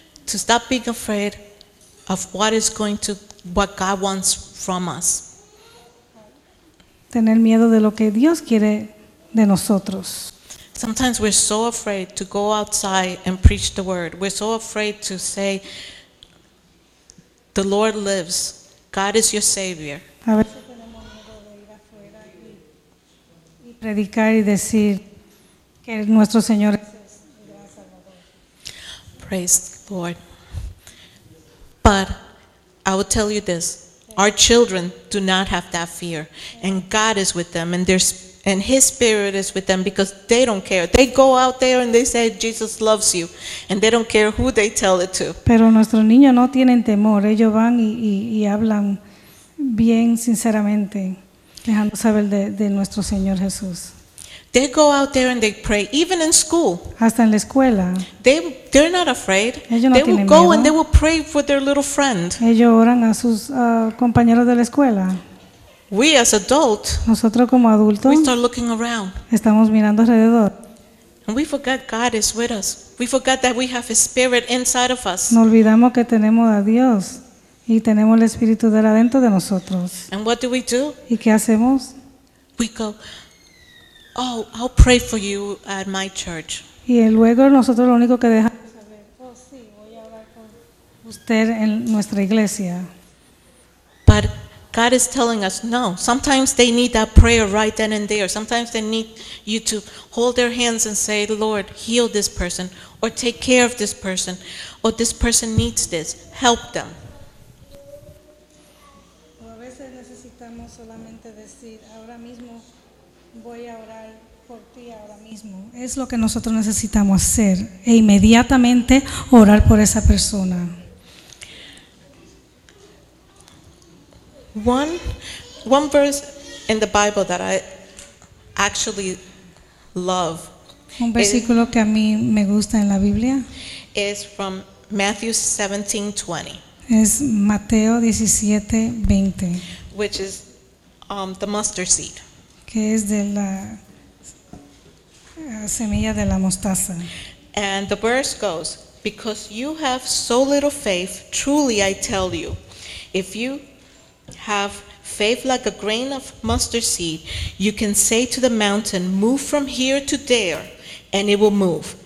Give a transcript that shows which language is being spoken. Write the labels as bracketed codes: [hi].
[en] To stop being afraid of what God wants from us. [es] Tener miedo de lo que Dios quiere de nosotros. [en] Sometimes we're so afraid to go outside and preach the word. We're so afraid to say, "The Lord lives. God is your savior." [es] A veces tenemos miedo de ir afuera y predicar y decir que nuestro Señor es Salvador. [en] Praise the Lord. But I will tell you this: our children do not have that fear, and God is with them, and His Spirit is with them because they don't care. They go out there and they say Jesus loves you, and they don't care who they tell it to. [es] Pero nuestros niños no tienen temor. Ellos van y hablan bien sinceramente, dejando saber de nuestro Señor Jesús. [en] They go out there and they pray, even in school. [es] Hasta en la escuela. [en] They're not afraid. [es] Ellos [en] they [es] no [en] will go [es] miedo. [en] And they will pray for their little friend. [es] Ellos oran a sus compañeros de la escuela. [en] We as adults, [es] nosotros como adultos, [en] we start looking around. [es] Estamos mirando alrededor. [en] And we forget God is with us. We forget that we have His Spirit inside of us. [es] Nos olvidamos que tenemos a Dios y tenemos el Espíritu de él adentro de nosotros. [en] And what do we do? [es] ¿Y qué hacemos? [en] We go, "Oh, I'll pray for you at my church." [es] Y luego nosotros lo único que dejamos saber, "Oh, sí, voy a hablar con usted en nuestra iglesia." [en] But God is telling us, no, sometimes they need that prayer right then and there. Sometimes they need you to hold their hands and say, "Lord, heal this person," or "Take care of this person," or "This person needs this. Help them." [es] A veces necesitamos solamente decir, "Ahora mismo voy a orar por ti ahora mismo." Es lo que nosotros necesitamos hacer, e inmediatamente orar por esa persona. [en] One verse in the Bible that I actually love. [es] Un versículo que a mí me gusta en la Biblia. [en] Is from Matthew 17:20. [es] Es Mateo 17:20. [en] Which is the mustard seed. [es] Que es de la semilla de la mostaza. [en] And the verse goes, "Because you have so little faith, truly I tell you, if you have faith like a grain of mustard seed, you can say to the mountain, 'Move from here to there,' and it will move.